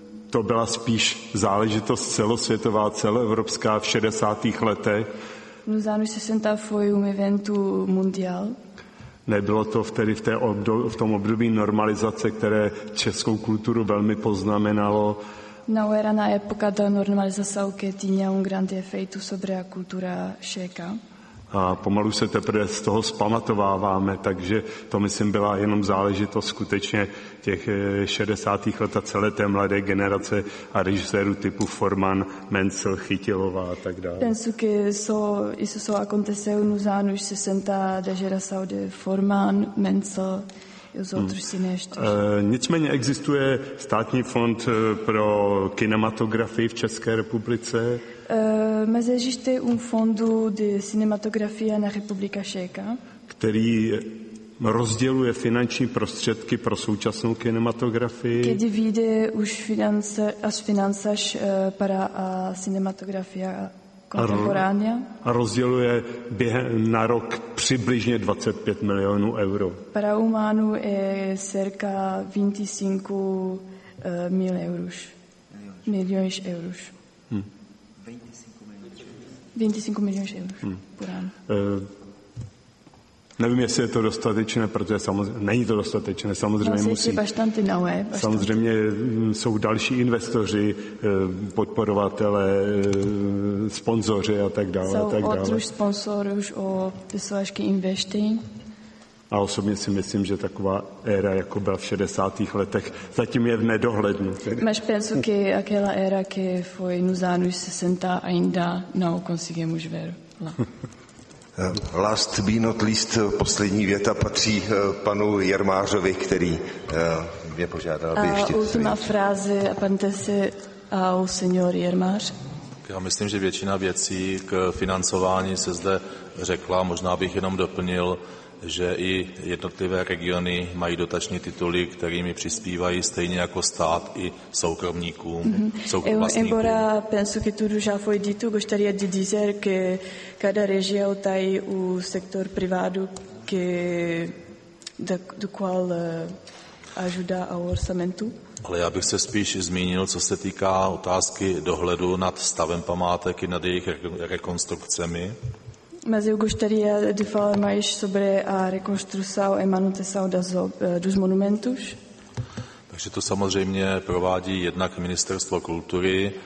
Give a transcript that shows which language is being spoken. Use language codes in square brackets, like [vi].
[cs] To byla spíš záležitost celosvětová, celoevropská v 60. letech. [pt] No záno 60. foi um evento mundial. [cs] Nebylo to vtedy v tom období normalizace, které českou kulturu velmi poznamenalo. [pt] Não era na época da normalização que tinha grande efeito sobre a cultura checa. [cs] A pomalu se teprve z toho zpamatováváme, takže to myslím byla jenom záležitost skutečně těch 60. let a celé té mladé generace a režisérů typu Forman, Menzel, Chytilová a tak dále. [pt] Penso que isso só aconteceu nos anos 60 da geração de Forman, Menzel e os outros cineastas. [cs] Nicméně existuje státní fond pro kinematografii v České republice. [pt] Mas existe um fundo de cinematografia na República Checa, [cs] který rozděluje finanční prostředky pro současnou kinematografii. [pt] Que divide os finanças para a cinematografia contemporânea. [cs] A rozděluje během na rok přibližně 25 milionů euro. [pt] Para um ano é cerca 25 mil euros. Milhões de euros. 25 milionů por ano. [cs] Nevím, jestli je to dostatečné, protože samozřejmě není to dostatečné, samozřejmě no, musí. [pt] Bastante, no, bastante. [cs] Samozřejmě jsou další investoři, podporovatelé, sponzoři a tak dále. Otruž sponzor už o pessoasky investing. A osobně si myslím, že taková éra, jako byla v 60. letech, zatím je v nedohlednu. [pt] Mas penso que aquela era que foi nos anos 60 ainda não conseguimos ver. [en] Last but not least, [cs] poslední věta patří panu Jermářovi, který mě požádal, aby ještě... [pt] A última frase, pante se ao senhor Jermář. [cs] Já myslím, že většina věcí k financování se zde řekla, možná bych jenom doplnil, že i jednotlivé regiony mají dotační tituly, kterými přispívají stejně jako stát i soukromníkům, soukromníkům. [pt] Embora penso que tudo já foi dito, gostaria de dizer que cada região tem o sector privado que do qual ajuda ao orçamento. [cs] Ale já bych se spíš zmínil, co se týká otázky dohledu nad stavem památek i nad jejich rekonstrukcemi. [pt] Mas eu gostaria de falar mais sobre a reconstrução e manutenção dos monumentos. [cs] Takže to samozřejmě provádí jednak Ministerstvo kultury.